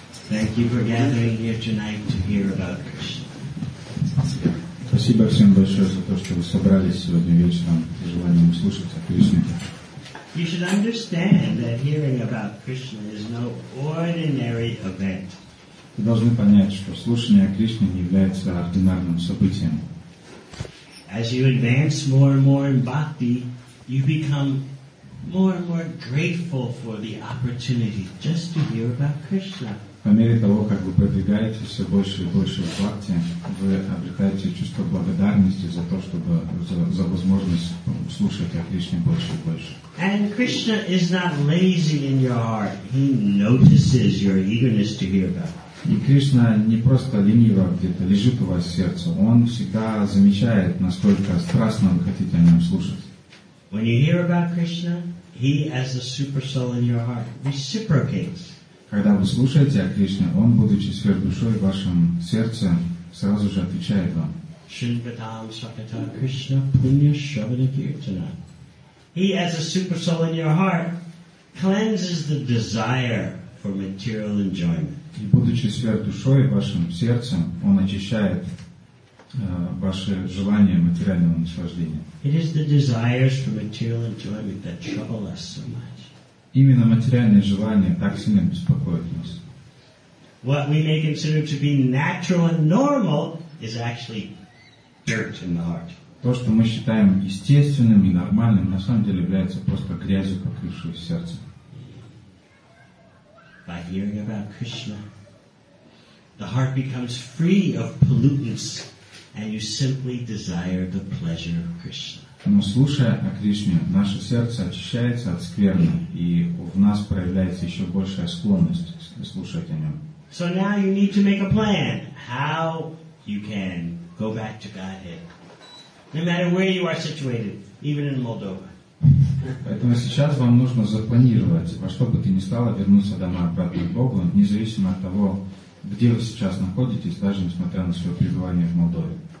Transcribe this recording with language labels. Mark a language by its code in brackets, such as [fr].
[en] Thank you for gathering here tonight to hear about Krishna. [ru] Спасибо всем большое за то, что вы собрались сегодня вечером с желанием слушать о Кришне. [en] You should understand that hearing about Krishna is no ordinary event. [ru] Вы должны понять, что слушание о Кришне не является ординарным событием. [en] As you advance more and more in bhakti, you become more and more grateful for the opportunity just to hear about Krishna. [ru] По мере того, как вы продвигаетесь все больше и больше в бхакти, вы обретаете чувство благодарности за то, чтобы за возможность слушать о Кришне больше и больше. [en] And Krishna is not lazy in your heart. He notices your eagerness to hear about. [ru] И Кришна не просто лениво где-то лежит у вас в сердце. Он всегда замечает, насколько страстно вы хотите о нем слушать. [en] When you hear about Krishna, he as a super soul in your heart reciprocates. [ru] Когда вы слушаете о Кришне, Он, будучи сверхдушой в вашем сердце, сразу же отвечает вам. [sa] Шинбатам сакатам Кришна пунья шавана киртана. [en] He as a super soul in your heart cleanses the desire for material enjoyment. [ru] И будучи сверхдушой в вашем сердце, Он очищает ваше желание материального наслаждения. [en] It is the desires for material enjoyment that trouble us so much. [ru] Именно материальные желания так сильно беспокоят нас. [en] What we may consider to be natural and normal is actually dirt in the heart. [ru] То, что мы считаем естественным и нормальным, на самом деле является просто грязью, покрывшую сердце. [en] By hearing about Krishna, the heart becomes free of pollutants, and you simply desire the pleasure of Krishna. [ru] Но слушая о Кришне, наше сердце очищается от скверны, и в нас проявляется еще большая склонность слушать о нем. [en] So now you need to make a plan how you can go back to Godhead, no matter where you are situated, even in Moldova. [ru] Поэтому сейчас вам нужно запланировать, во что бы ты ни стало, вернуться домой обратно к Богу, независимо от того, где вы сейчас находитесь, даже несмотря на свое пребывание в Молдове.